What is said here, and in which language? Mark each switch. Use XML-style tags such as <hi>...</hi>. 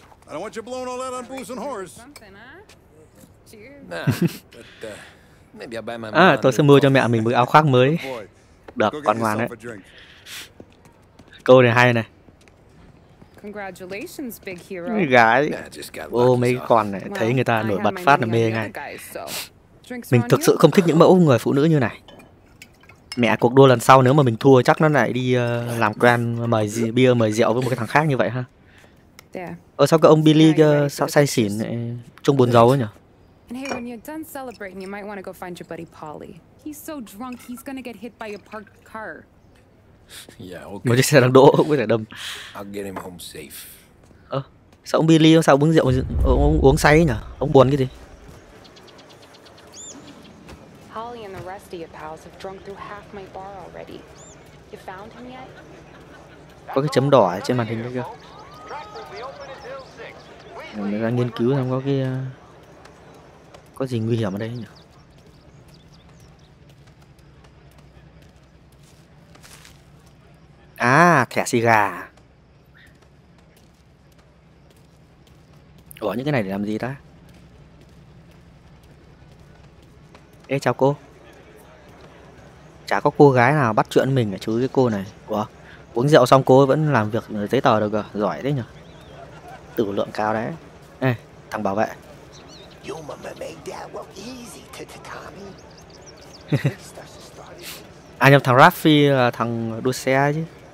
<en>I don't want you blowing all that on booze and whores.</en> <vi>À, tôi sẽ mua cho mẹ mình một áo khoác mới. Được, con ngoan đấy. Câu này hay này.</vi> <en>Congratulations, big hero.</en> <vi>Mấy gái. Ô, mấy con này, thấy người ta nổi bật phát là mê ngay. Mình thực sự không thích những mẫu người phụ nữ như này. Mẹ, cuộc đua lần sau nếu mà mình thua chắc nó lại đi làm grand mời bia mời rượu với một cái thằng khác như vậy ha. Ờ, sao cái ông Billy sao say xỉn trông buồn rầu ấy nhỉ?</vi> <en>And hey, when you're done celebrating, you might want to go find your buddy Polly. He's so drunk, he's gonna get hit by a parked car. Yeah, okay.</en> <vi>Một chiếc xe đang đỗ cũng có thể đâm.</vi> <en>I'll get him home safe.</en> <vi>Ờ, sao ông Billy sao uống rượu, ông uống say nhỉ? Ông buồn cái gì? Polly and the rest of your pals have drunk through half my bar already. You found him yet? Có cái chấm đỏ trên màn hình đó kìa. Mình đang nghiên cứu xem có cái có gì nguy hiểm ở đây nhỉ? À, thẻ xì gà. Ủa, những cái này để làm gì ta? Ê, chào cô. Chả có cô gái nào bắt chuyện mình chứ cái cô này. Ủa, uống rượu xong cô ấy vẫn làm việc giấy tờ được à? Giỏi đấy nhỉ? Tử lượng cao đấy. Ê, thằng bảo vệ.</vi> <en>Your mama made that look easy to Tommy.</en> <vi>Anh nhầm thằng Raffi là thằng đua xe chứ.</vi>